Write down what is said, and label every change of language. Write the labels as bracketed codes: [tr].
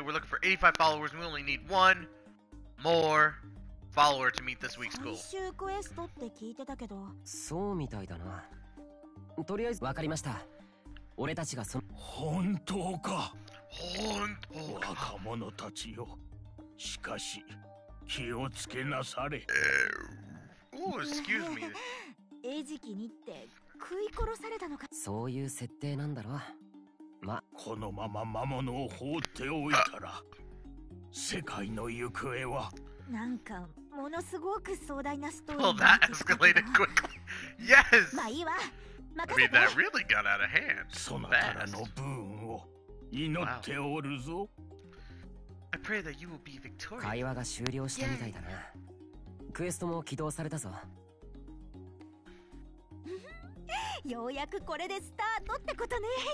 [en] We're looking for 85 followers, and we only need one more follower to meet this week's goal. [ja] 最終クエストって聞いてたけど。そうみたいだな。とりあえず、わかりました。俺たちがその… 本当か。本当か。若者たちよ。しかし、気をつけなされ。 [en] excuse me. [ja] 餌食にって食い殺されたのか。そういう設定なんだろう。ま、このまま魔物を放っておいたら世界の行方は… なんかものすごく壮大なストーリー。 [en] Well, that escalated quickly. Yes! [ja] まあいいわ。 [en] I mean, that really got out of hand. [ja] そのからの部分を祈っておるぞ。 [en] I pray that you will be victorious. [ja] 会話が終了したみたいだな。クエストも起動されたぞ。ようやくこれでスタートってことね。